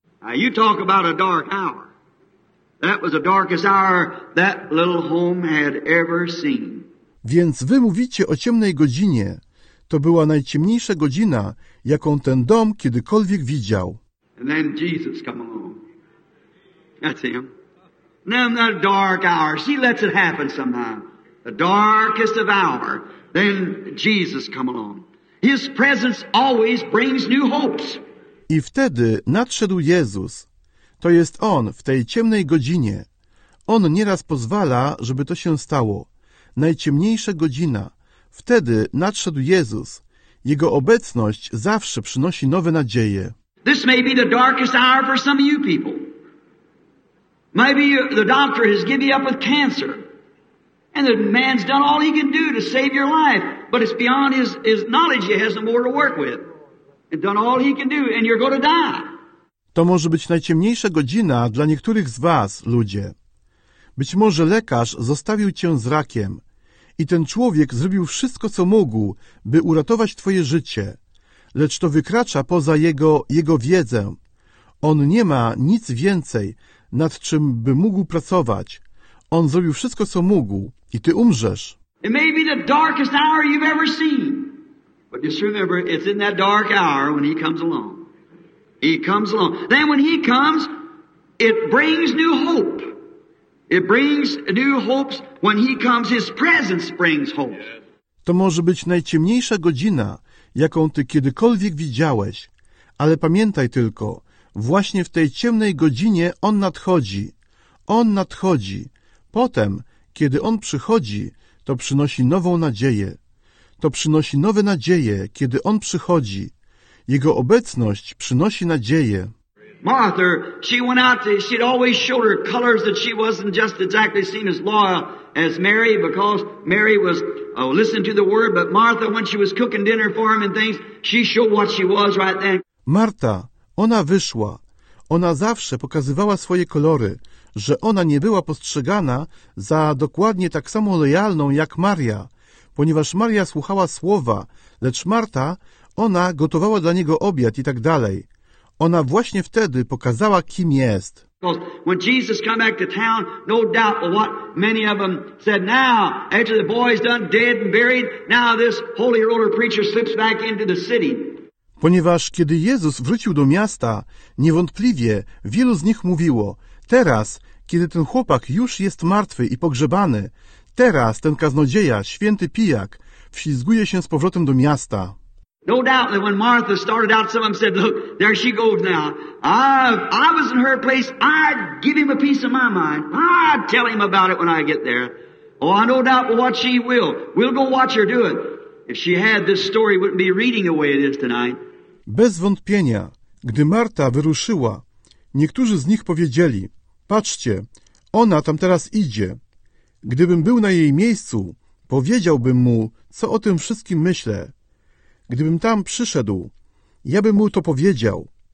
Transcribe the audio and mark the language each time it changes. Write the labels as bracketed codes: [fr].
[en] Now you talk about a dark hour. That was the darkest hour that little home had ever seen. [pl] Więc wy mówicie o ciemnej godzinie. To była najciemniejsza godzina, jaką ten dom kiedykolwiek widział. [en] And then Jesus come along. That's him. Now in that dark hour, he lets it happen somehow. The darkest of hour, then Jesus come along. His presence always brings new hopes. [pl] I wtedy nadszedł Jezus. To jest on w tej ciemnej godzinie. On nieraz pozwala, żeby to się stało. Najciemniejsza godzina. Wtedy nadszedł Jezus. Jego obecność zawsze przynosi nowe nadzieje. [en] This may be the darkest hour for some of you people. Maybe the doctor has given you up with cancer. And the man's done all he can do to save your life. But it's beyond his knowledge. He has no more to work with. And done all he can do and you're going to die. [pl] To może być najciemniejsza godzina dla niektórych z was, ludzie. Być może lekarz zostawił cię z rakiem. i ten człowiek zrobił wszystko, co mógł, by uratować Twoje życie, lecz to wykracza poza jego wiedzę. On nie ma nic więcej, nad czym by mógł pracować. On zrobił wszystko, co mógł, i Ty umrzesz. [en] It may be the darkest hour you've ever seen, but just remember, it's in that dark hour when He comes along. He comes along. Then when He comes, it brings new hope. It brings new hopes. When He comes, His presence brings hope. [pl] To może być najciemniejsza godzina, jaką Ty kiedykolwiek widziałeś, ale pamiętaj tylko, właśnie w tej ciemnej godzinie On nadchodzi. On nadchodzi. Potem, kiedy On przychodzi, to przynosi nową nadzieję. To przynosi nowe nadzieje, kiedy On przychodzi. Jego obecność przynosi nadzieję. [en] Martha, she went out, she'd always showed her colors that she wasn't just exactly seen as loyal as Mary, because Mary was listening to the word, but Martha, when she was cooking dinner for him and things, she showed what she was right then. [pl] Marta, ona wyszła. Ona zawsze pokazywała swoje kolory, że ona nie była postrzegana za dokładnie tak samo lojalną jak Maria, ponieważ Maria słuchała słowa, lecz Marta, ona gotowała dla niego obiad i tak dalej. Ona właśnie wtedy pokazała, kim jest. [en] When Jesus came back to town, no doubt of what many of them said, now, after the boy's done dead and buried, now this holy roller preacher slips back into the city. [pl] Ponieważ kiedy Jezus wrócił do miasta, niewątpliwie wielu z nich mówiło, teraz, kiedy ten chłopak już jest martwy i pogrzebany, teraz ten kaznodzieja, święty pijak, wślizguje się z powrotem do miasta. [en] No doubt that when Martha started out, some of them said, look, there she goes now. I was in her place, I'd give him a piece of my mind. I'd tell him about it when I get there. Oh, I no doubt what she will. We'll go watch her do it. If she had, this story wouldn't be reading the way it is tonight. [pl] Bez wątpienia, gdy Marta wyruszyła, niektórzy z nich powiedzieli, patrzcie, ona tam teraz idzie. Gdybym był na jej miejscu, powiedziałbym mu, co o tym wszystkim myślę. Gdybym tam przyszedł, ja bym mu to powiedział.